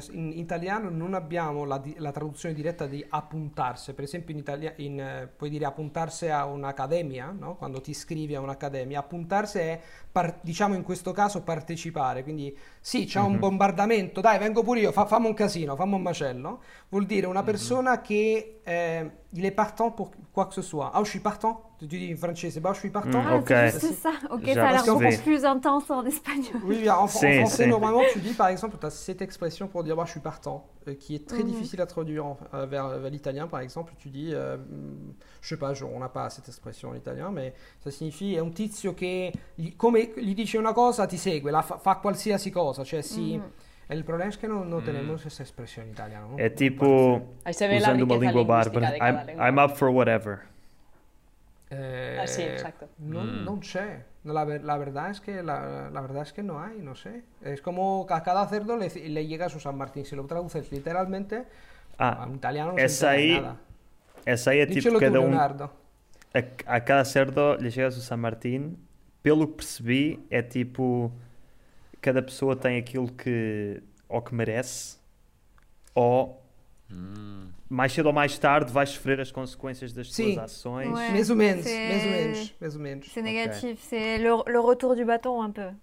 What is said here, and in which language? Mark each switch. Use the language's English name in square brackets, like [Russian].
[Italian] In italiano non abbiamo la traduzione diretta di appuntarsi. Per esempio puoi dire appuntarsi a un'accademia, no? Quando ti iscrivi a un'accademia. Appuntarsi è, diciamo in questo caso, partecipare. Quindi sì, c'è un bombardamento, dai vengo pure io, fammi un casino, fammi un macello. Vuol dire una persona che [French] il est partant pour quoi que ce soit. Ah, je suis partant. Tu dis en français, bah, je suis partant. Ah, okay. C'est juste ça. Ok, ça a l'air beaucoup plus intense en espagnol. Oui, en français, normalement, tu dis par exemple, tu as cette expression pour dire bah, je suis partant, qui est très difficile à traduire vers l'italien, par exemple. Tu dis, je sais pas, on n'a pas cette expression en italien, mais ça signifie, [Italian] un tizio [French] qui, comme lui dit une chose, [Italian] ti segue, fa qualsiasi cosa. Cioè, si. E il problema è che non abbiamo questa espressione in italiano. È tipo usando una lingua barbara. [English] I'm up for whatever. [Italian] Sì, esatto. Non c'è. La verità è che non hai, non sé. È come [Spanish] a cada cerdo le llega su San Martín. Se lo traduces letteralmente, [Italian] in italiano non si [Spanish] entra nada. [Italian] Dicelo tu, Leonardo. [Spanish] A cada cerdo le llega su San Martín. [Portuguese] Pelo que percebi, [Italian] è tipo... [Portuguese] Cada pessoa tem aquilo que ou que merece, ou mais cedo ou mais tarde vais sofrer as consequências das tuas ações. [French] Ouais. Mais [Portuguese] ou menos. [French] C'est négatif, okay. C'est le retour du bâton un peu.